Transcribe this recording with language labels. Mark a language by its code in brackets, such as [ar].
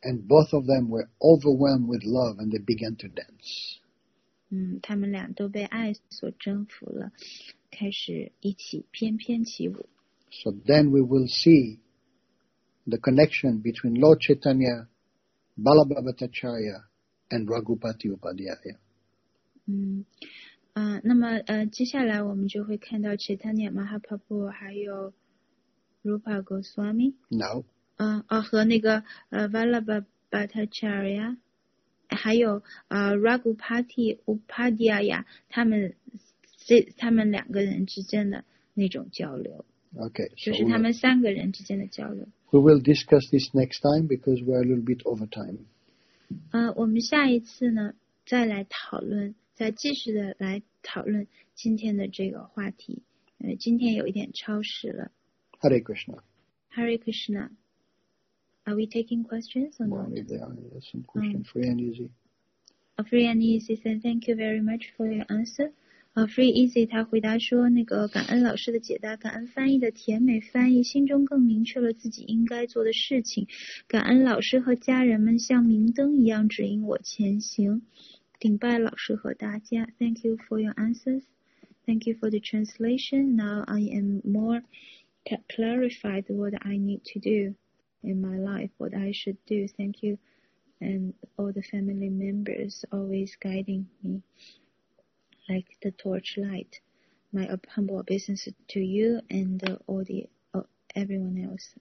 [en] And both of them were overwhelmed with love and they began to dance. [zh] 他们俩都被爱所征服了，开始一起翩翩起舞。 [en] So then we will see. The connection between Lord Chaitanya, Balabhava Bhattacharya, and Raghupati Upadhyaya. [zh] 那么接下来我们就会看到 Chaitanya Mahaprabhu 还有 Rupa Goswami. [en] No. [zh] 和那个Balabhava Bhattacharya, 还有Raghupati Upadhyaya, 他们两个人之间的那种交流。 [en] Okay. [zh] 就是他们三个人之间的交流。 [en] We will discuss this next time because we're a little bit over time. [zh] 我们下一次呢，再来讨论，再继续的来讨论今天的这个话题。今天有一点超时了。 [en] Hare Krishna. Hare Krishna. Are we taking questions or not? Well, if there are some questions, free and easy. Free and easy, then thank you very much for your answer. [zh] Free Easy 他回答说，那个感恩老师的解答，感恩翻译的甜美翻译，心中更明确了自己应该做的事情，感恩老师和家人们像明灯一样指引我前行，顶拜老师和大家。 [en] Thank you for your answers. Thank you for the translation. Now I am more clarified what I need to do in my life, what I should do. Thank you and all the family members always guiding meLike the torchlight, my humble obeisance to you and everyone else.